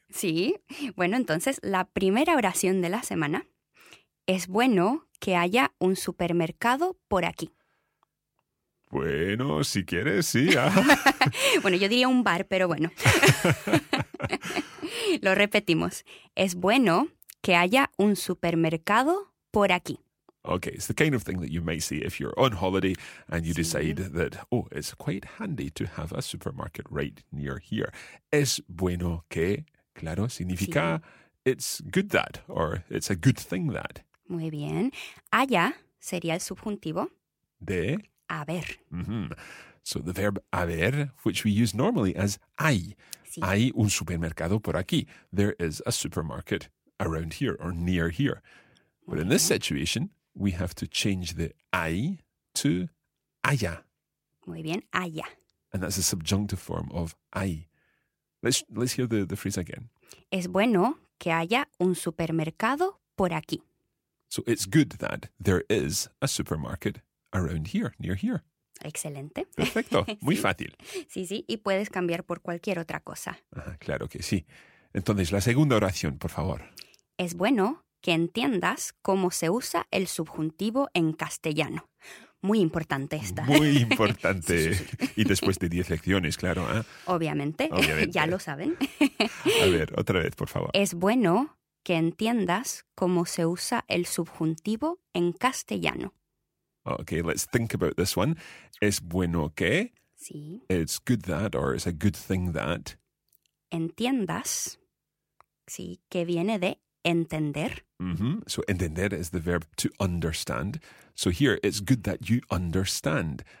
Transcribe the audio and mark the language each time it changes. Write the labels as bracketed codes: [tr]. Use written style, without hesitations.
[es] Sí, bueno, entonces la primera oración de la semana es bueno que haya un supermercado por aquí. Bueno, si quieres, sí. ¿Ah? Bueno, yo diría un bar, pero bueno. Lo repetimos. Es bueno que haya un supermercado por aquí. [en] Okay, it's the kind of thing that you may see if you're on holiday and you decide that, oh, it's quite handy to have a supermarket right near here. [es] Es bueno que, claro, significa [en] it's good that or it's a good thing that. [es] Muy bien. Haya sería el subjuntivo. De. Haber. Mm-hmm. [en] So the verb haber, which we use normally as hay. Sí. [es] Hay un supermercado por aquí. [en] There is a supermarket around here or near here. But in this situation, we have to change the hay to haya. [es] Muy bien. Haya. [en] And that's a subjunctive form of hay. Let's hear the phrase again. [es] Es bueno que haya un supermercado por aquí. [en] So it's good that there is a supermarket around here, near here. [es] Excelente. Perfecto. Muy fácil. Sí, sí. Y puedes cambiar por cualquier otra cosa. Ajá, claro que sí. Entonces, la segunda oración, por favor. Es bueno que entiendas cómo se usa el subjuntivo en castellano. Muy importante esta. Muy importante. Sí, sí, sí. Y después de 10 lecciones, claro. ¿Eh? Obviamente. Ya lo saben. A ver, otra vez, por favor. Es bueno que entiendas cómo se usa el subjuntivo en castellano. [en] Okay, let's think about this one. [es] Es bueno que. Sí. [en] It's good that or it's a good thing that. [es] Entiendas. Sí, que viene de entender. [en] Mm-hmm. So entender is the verb to understand. So here it's good that you understand.